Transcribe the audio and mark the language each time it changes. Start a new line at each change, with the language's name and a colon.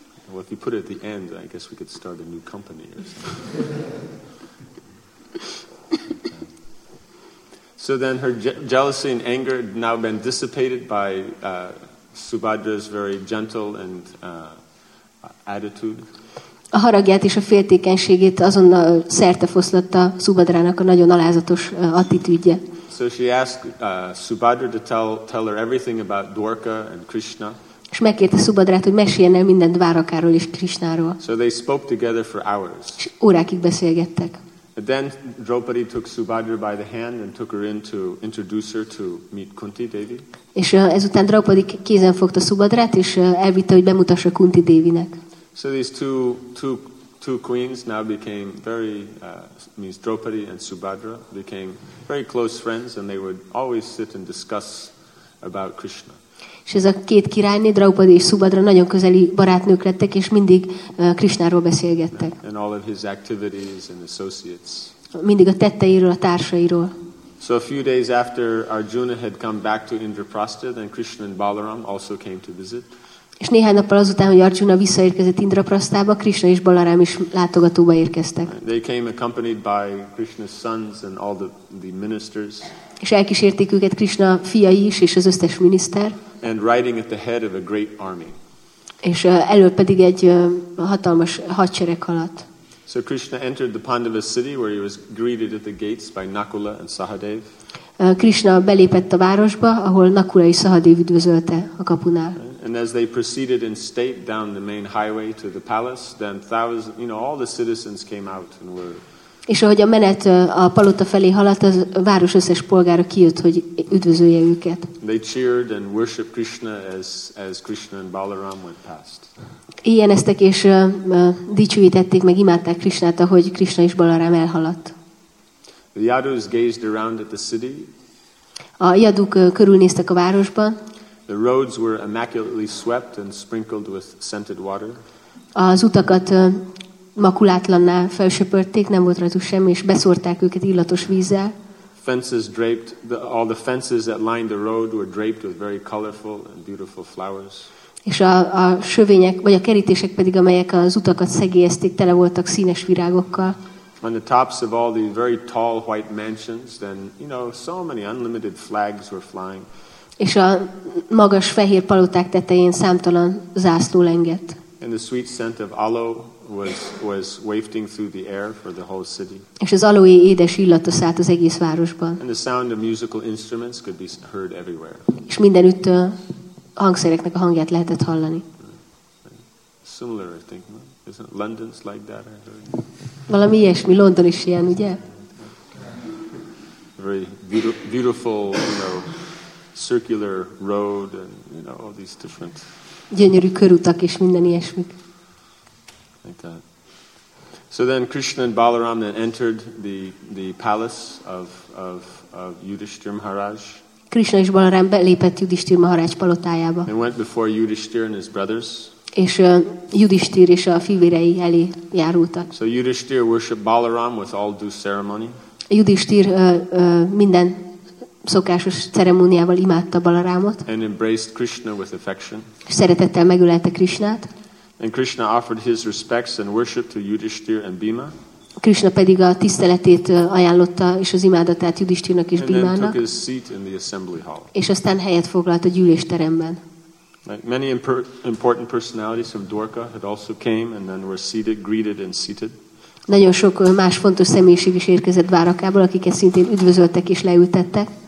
English: Well, if you put it at the end, I guess we could start a new company or something. So then her jealousy and anger had now been dissipated by Subhadra's very gentle and attitude.
Hungarian: A haragját és a féltékenységét azonnal szertefoszlatta Subhadrának a nagyon alázatos attitűdje.
English: So she asked Subhadra to tell her everything about Dwarka and Krishna.
Hungarian: És megkérte Subhadrát, hogy meséljen el mindent Dwarakáról és Krishnáról.
English: So they spoke together for hours.
Hungarian: És órákig beszélgettek.
English: And then Draupadi took Subhadra by the hand and took her in to introduce her to meet Kunti Devi.
Hungarian: És ezután Draupadi kézen fogta Subhadrát és elvitte, hogy bemutassa Kunti Devinek.
English: So these two queens now became very means Draupadi and Subhadra became very close friends and they would always sit and discuss about Krishna.
Hungarian: És ez a két királyné, Draupadi és Subhadra nagyon közeli barátnők lettek és mindig Krishnáról beszélgettek.
English: And all of his activities and associates.
Hungarian: Mindig a tetteiről, a társairól.
English: So a few days after Arjuna had come back to Indraprastha, then Krishna and Balaram also came to visit.
Hungarian: És néhány nappal azután, hogy Arjuna visszaérkezett Indraprasztába, Krishna és Balaram is látogatóba érkeztek.
English: They came accompanied by Krishna's sons and all the ministers.
Hungarian: És elkísérték őket Krishna fiai is és az összes miniszter.
English: And riding at the head of a great army.
Hungarian: És elől pedig egy hatalmas hadsereg haladt.
English: So Krishna entered the Pandava city where he was greeted at the gates by Nakula and Sahadev.
Hungarian: Krishna belépett a városba, ahol Nakula és Sahadev üdvözölte a kapunál.
English: And as they proceeded in state down the main highway to the palace, then thousands, you know, all the citizens came out and were.
Hungarian: És ahogy a menet a palota felé haladt, a város összes polgára kijött, hogy üdvözölje őket.
English: They cheered and worshiped Krishna as Krishna and Balaram went past.
Hungarian: Éjjeneztek és dicsőítették meg, imádták Krishnát, ahogy Krishna és Balaram elhaladt.
English: The Yadus gazed around at the city.
Hungarian: A Yaduk körülnéztek a városban.
English: The roads were immaculately swept and sprinkled with scented water.
Hungarian: Az utakat makulátlanná felsöpörték, nem volt rajtuk semmi, és beszórták őket illatos vízzel.
English: Fences draped, all the fences that lined the road were draped with very colorful and beautiful flowers.
Hungarian: És a sövények, vagy a kerítések pedig, amelyek az utakat szegélyezték, tele voltak színes virágokkal.
English: On the tops of all the very tall white mansions, then, you know, so many unlimited flags were flying.
Hungarian: És a magas fehér paloták tetején számtalan zászló lengett.
English: And the sweet scent of aloe was wafting through the air for the whole city.
Hungarian: És az aloé édes illata szállt az egész városban.
English: And the sound of musical instruments could be heard everywhere.
Hungarian: És mindenütt hangszereknek a hangját lehetett hallani.
English: Similar, I think. Isn't London's like that?
Hungarian: Valami ilyesmi, London is ilyen, ugye?
English: Very beautiful, you know, circular road and, you know, all these different.
Hungarian: Gyönyörű körutak és minden ilyesmi.
English: Like that. So then Krishna and Balaram then entered the palace of Yudhishthira Maharaj.
Hungarian: Krishna és Balaram belépett Yudhishthira Maharaj palotájába.
English: And went before Yudhishthira and his brothers.
Hungarian: És Yudhishthir és a fivérei elé járultak.
English: So Yudhishthir worshiped Balaram with all due ceremony.
Hungarian: Yudhishthir minden szokásos ceremóniával imádta Balarámot.
English: And embraced Krishna with affection.
Hungarian: Szeretettel megölelte Krishnát.
English: And Krishna offered his respects and worship to Yudhishthir and Bhima.
Hungarian: Krishna pedig a tiszteletét ajánlotta és az imádatát Yudhishthirnak és Bhimának.
English: And then took his seat in the assembly hall.
Hungarian: És aztán helyet foglalt a gyűlésteremben.
English: Like many important personalities from Dwarka had also came and then were seated, greeted and seated.
Hungarian: Nagyon sok más fontos személyiség is érkezett Dwarakából, akiket szintén üdvözöltek és leültettek.